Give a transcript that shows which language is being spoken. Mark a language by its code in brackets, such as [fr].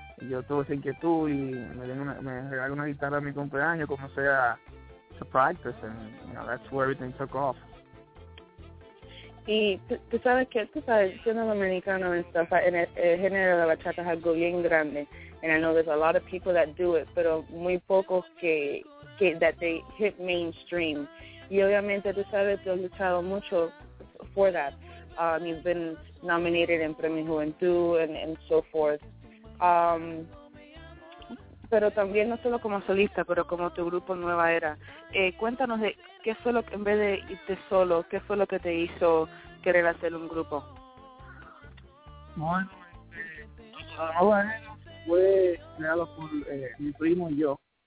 [es] Yo tuve esa inquietud y me regaló una guitarra a mi cumpleaños, como sea... [en] to practice, and you know, that's where everything took off. [es] Y tú sabes que tú sabes siendo dominicano y stuff, en el género de bachata es algo bien grande, [en] and I know there's a lot of people that do it, [es] pero muy pocos que [en] that they hit mainstream. [es] Y obviamente tú sabes que he luchado mucho [en] for that. You've been nominated in Premio Juventud and so forth. [es] Pero también no solo como solista, pero como tu grupo Nueva Era. Cuéntanos de qué fue lo que, en vez de irte solo, qué fue lo que te hizo querer hacer un grupo. Bueno, Nueva Era fue creado por mi primo y yo.